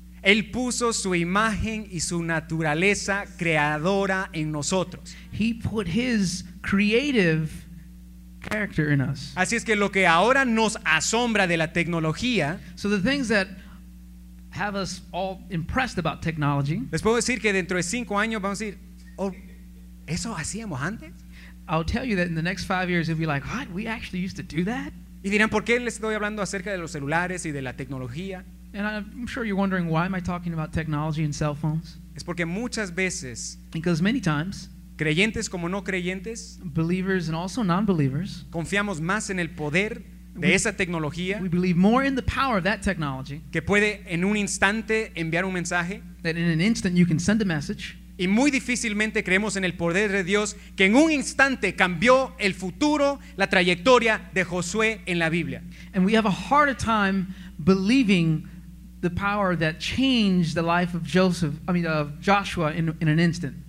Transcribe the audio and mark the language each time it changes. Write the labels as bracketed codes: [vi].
[es] Él puso su imagen y su naturaleza creadora en nosotros. [en] He put his creative character in us. [es] Así es que lo que ahora nos asombra de la tecnología, [en] so the things that have us all impressed about technology, [es] les puedo decir que dentro de 5 años vamos a decir, oh, ¿eso hacíamos antes? [en] I'll tell you that in the next 5 years you'll be like, what? We actually used to do that? [es] Y dirán, ¿por qué les estoy hablando acerca de los celulares y de la tecnología? [en] And I'm sure you're wondering, why am I talking about technology and cell phones? [es] Es porque muchas veces, [en] because many times, [es] creyentes como no creyentes, [en] believers and also non-believers, [es] confiamos más en el poder de esa tecnología, [en] we believe more in the power of that technology, [es] que puede en un instante enviar un mensaje, [en] that in an instant you can send a message, [es] y muy difícilmente creemos en el poder de Dios que en un instante cambió el futuro, la trayectoria de Josué en la Biblia. [en] And we have a harder time believing the power that changed the life of Joseph, I mean of Joshua in an instant.